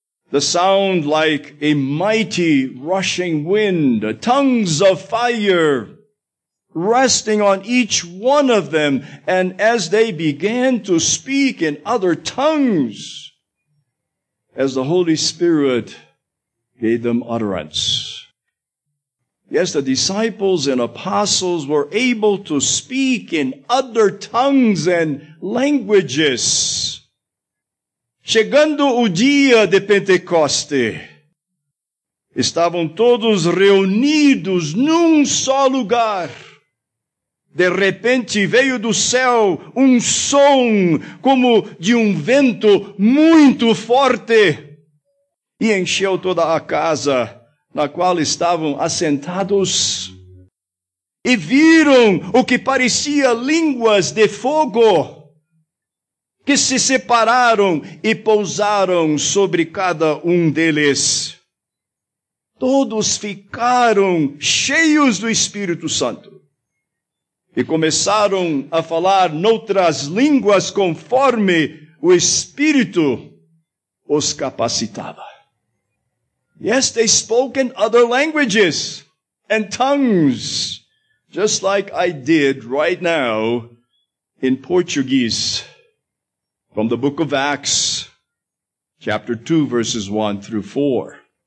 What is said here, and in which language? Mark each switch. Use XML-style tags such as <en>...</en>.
<en>The sound like a mighty rushing wind, tongues of fire resting on each one of them, and as they began to speak in other tongues, as the Holy Spirit gave them utterance. Yes, the disciples and apostles were able to speak in other tongues and languages.</en> <pt>Chegando o dia de Pentecoste, estavam todos reunidos num só lugar. De repente veio do céu som como de vento muito forte e encheu toda a casa na qual estavam assentados. E viram o que parecia línguas de fogo que se separaram e pousaram sobre cada deles. Todos ficaram cheios do Espírito Santo e começaram a falar noutras línguas conforme o Espírito os capacitava.</pt> <en>Yes, they spoke in other languages and tongues, just like I did right now in Portuguese from the book of Acts, chapter 2, verses 1 through 4.</en>